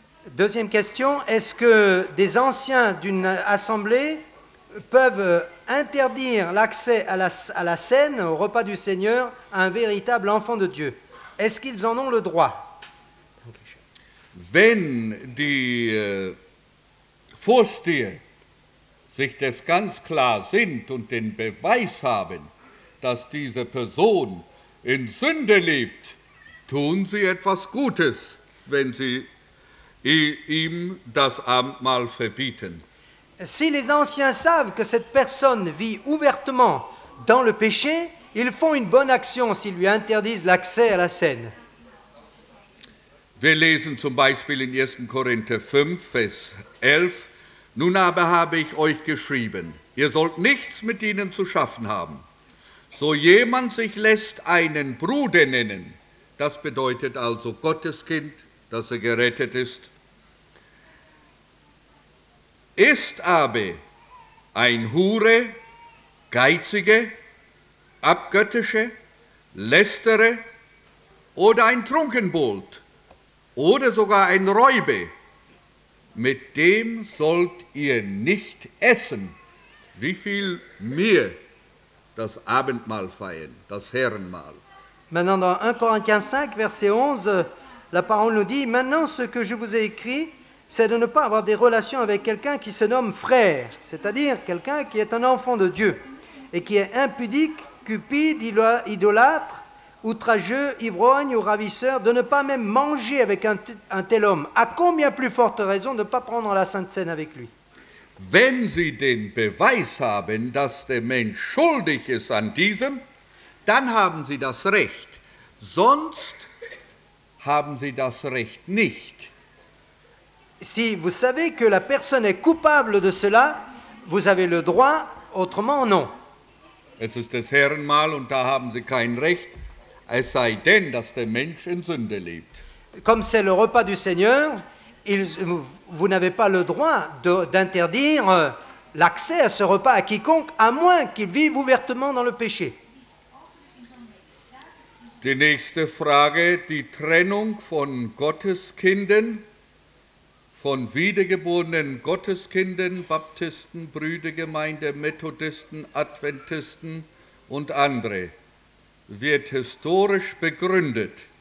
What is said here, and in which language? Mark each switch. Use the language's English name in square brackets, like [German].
[French] Deuxième question, est-ce que des anciens d'une assemblée peuvent interdire l'accès à la scène, au repas du Seigneur, à un véritable enfant de Dieu? Est-ce qu'ils en ont le droit? [German] Wenn die Vorsteher sich des ganz klar sind und den Beweis haben, dass diese Person in Sünde lebt, tun sie etwas Gutes, wenn sie ihm das Abendmahl verbieten. [French] Si les anciens savent que cette personne vit ouvertement dans le péché, ils font une bonne action s'ils lui interdisent l'accès à la scène. [German] Wir lesen zum Beispiel in 1. Korinther 5, Vers 11. Nun aber habe ich euch geschrieben, ihr sollt nichts mit ihnen zu schaffen haben. So jemand sich lässt einen Bruder nennen, das bedeutet also Gotteskind, dass er gerettet ist, ist aber ein Hure, Geizige, Abgöttische, Lästere oder ein Trunkenbold oder sogar ein Räube. Mit dem sollt ihr nicht essen. Wie viel mehr das Abendmahl feiern, das Herrenmahl. [French] Maintenant dans 1 Corinthiens 5, verset 11, la parole nous dit: Maintenant ce que je vous ai écrit, c'est de ne pas avoir des relations avec quelqu'un qui se nomme frère, c'est-à-dire quelqu'un qui est un enfant de Dieu, et qui est impudique, cupide, idolâtre, outrageux, ivrogne ou ravisseur, de ne pas même manger avec un tel homme. À combien plus forte raison de ne pas prendre la Sainte Cène avec lui? [German] Wenn Sie den Beweis haben, dass der Mensch schuldig ist an diesem, dann haben Sie das Recht. Sonst haben Sie das Recht nicht. [French] Si vous savez que la personne est coupable de cela, vous avez le droit, autrement non. [German] Es ist das Herrenmahl und da haben Sie kein Recht. Es sei denn, dass der Mensch in Sünde lebt. [French] Comme c'est le repas du Seigneur, vous n'avez pas le droit d'interdire l'accès à ce repas à quiconque, à moins qu'il vive ouvertement dans le péché. [German] Die nächste Frage, die Trennung von Gotteskindern, von wiedergeborenen Gotteskindern, Baptisten, Brüdergemeinde, Methodisten, Adventisten und andere, wird historisch begründet.